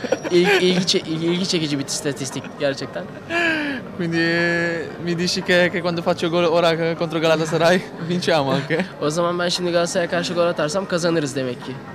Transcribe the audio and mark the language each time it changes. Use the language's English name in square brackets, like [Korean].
[Turkish] ilgi çekici bir statistik gerçekten. [Italian] Quindi mi dici che quando faccio gol ora contro Galatasaray vinciamo anche. [Turkish] O zaman ben şimdi Galatasaray'a karşı gol atarsam kazanırız demek ki.